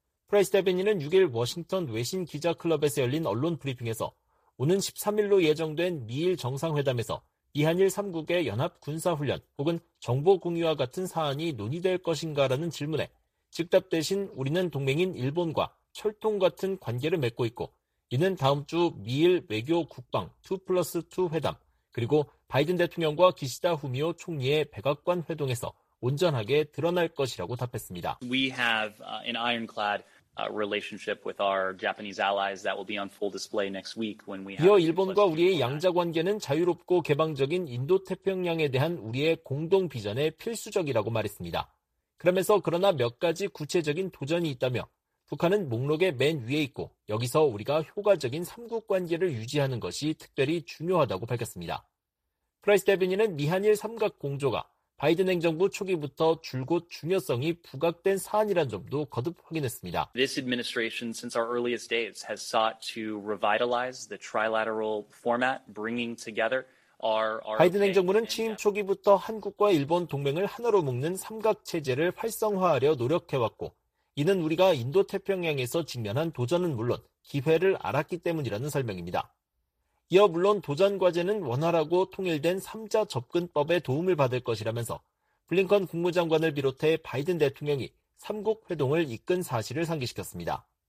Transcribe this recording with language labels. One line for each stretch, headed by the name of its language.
Korean: 프라이스 대변인은 6일 워싱턴 외신 기자클럽에서 열린 언론 브리핑에서 오는 13일로 예정된 미일 정상회담에서 미한일 3국의 연합군사훈련 혹은 정보공유와 같은 사안이 논의될 것인가라는 질문에 즉답 대신 우리는 동맹인 일본과 철통 같은 관계를 맺고 있고 이는 다음 주 미일 외교 국방 2+2 회담 그리고 바이든 대통령과 기시다 후미오 총리의 백악관 회동에서 온전하게 드러날 것이라고 답했습니다.
English: We have an ironclad relationship with our Japanese allies that will be on full display next week when we have
Korean: 이어 일본과 우리의 양자 관계는 자유롭고 개방적인 인도태평양에 대한 우리의 공동 비전에 필수적이라고 말했습니다. 그러면서 그러나 몇 가지 구체적인 도전이 있다며 북한은 목록의 맨 위에 있고 여기서 우리가 효과적인 3국 관계를 유지하는 것이 특별히 중요하다고 밝혔습니다. 프라이스 대변인은 미한일 삼각 공조가 바이든 행정부 초기부터 줄곧 중요성이 부각된 사안이란 점도 거듭 확인했습니다.
English: This administration since our earliest days has sought to revitalize the trilateral format, bringing together
Korean: 바이든 행정부는 취임 초기부터 한국과 일본 동맹을 하나로 묶는 삼각체제를 활성화하려 노력해왔고 이는 우리가 인도태평양에서 직면한 도전은 물론 기회를 알았기 때문이라는 설명입니다. 이어 물론 도전 과제는 원활하고 통일된 3자 접근법에 도움을 받을 것이라면서 블링컨 국무장관을 비롯해 바이든 대통령이 3국 회동을 이끈 사실을 상기시켰습니다.